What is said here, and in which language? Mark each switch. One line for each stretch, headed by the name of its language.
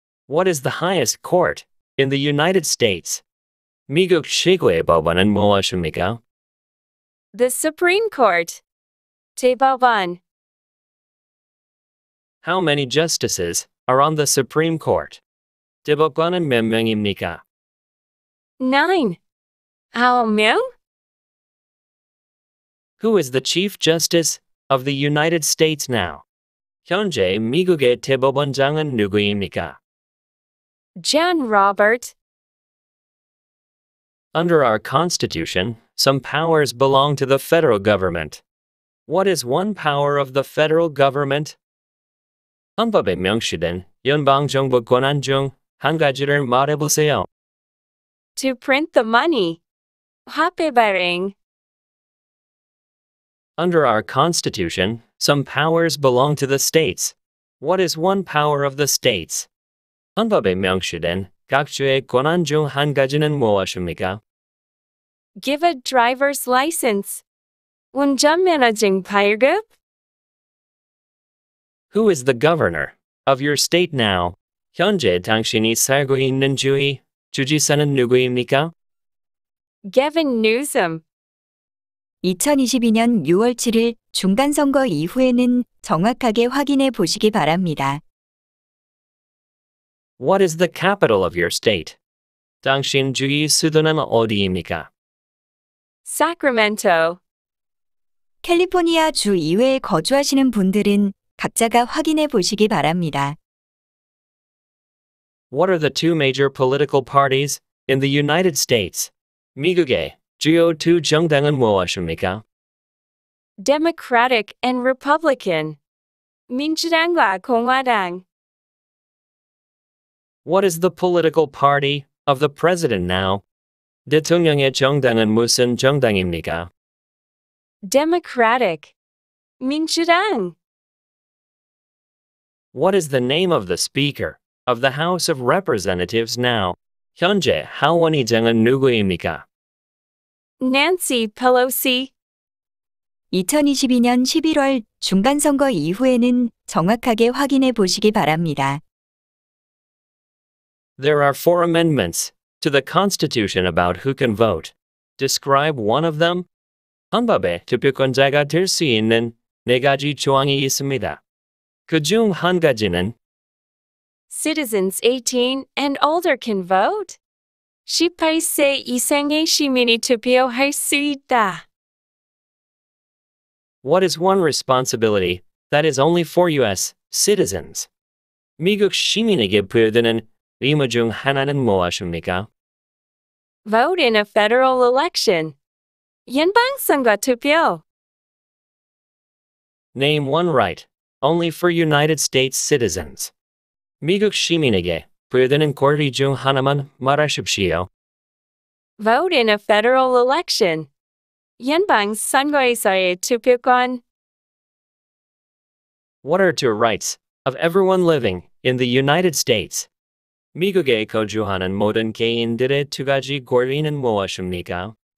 English: What is the highest court in the United States?
Korean: 미국 최고의 법원은 무엇입니까?
English: The Supreme Court.
Korean: 대법원.
English: How many justices are on the Supreme Court.
Korean: 대법관은 몇 명입니까? 9명?
English: Who is the Chief Justice of the United States now?
Korean: 현재 미국의 대법원장은 누구입니까?
English: John Roberts. Under our Constitution, some powers belong to the federal government. What is one power of the federal government?
Korean: 헌법에 명시된 연방정부 권한 중 한 가지를 말해보세요.
English: To print the money.
Korean: 화폐발행.
English: Under our Constitution, some powers belong to the states. What is one power of the states?
Korean: 헌법에 명시된 각주의 권한 중 한 가지는 무엇입니까?
English: Give a driver's license.
Korean: 운전 면허증 발급?
English: Who is the governor of your state now?
Korean: 현재 당신이 살고 있는 주의 주지사는 누구입니까?
English: Gavin Newsom.
Korean: 2022년 6월 7일 중간선거 이후에는 정확하게 확인해 보시기 바랍니다.
English: What is the capital of your state?
Korean: 당신 주의 수도는 어디입니까?
English: Sacramento.
Korean: 캘리포니아 주 이외에 거주하시는 분들은 각자가 확인해 보시기 바랍니다.
English: What are the two major political parties in the United States?
Korean: 미국의 주요 두 정당은 무엇입니까?
English: Democratic and Republican.
Korean: 민주당과 공화당.
English: What is the political party of the president now?
Korean: 대통령의 정당은 무슨 정당입니까?
English: Democratic.
Korean: 민주당.
English: What is the name of the speaker of the House of Representatives now?
Korean: 현재 하원의장은 누구입니까?
English: Nancy Pelosi.
Korean: 2022년 11월 중간선거 이후에는 정확하게 확인해 보시기 바랍니다.
English: There are four amendments to the Constitution about who can vote. Describe one of them.
Korean: 헌법에 투표권자가 될 수 있는 네 가지 조항이 있습니다. 그 중 한 가지는
English: Citizens 18 and older can vote.
Korean: 18세 이상의 시민이 투표할 수 있다.
English: What is one responsibility that is only for U.S. citizens?
Korean: 미국 시민에게 부여되는 의무 중 하나는 무엇입니까?
English: Vote in a federal election.
Korean: 연방선거 투표.
English: Name one right only for United States citizens.
Korean: 미국 시민에게 부여되는 권리 중 하나만 말하십시오.
English: Vote in a federal election.
Korean: 연방선거에서의 투표권.
English: What are two rights of everyone living in the United States?
Korean: 미국에 거주하는 모든 개인들의 두 가지 권리는 무엇입니까?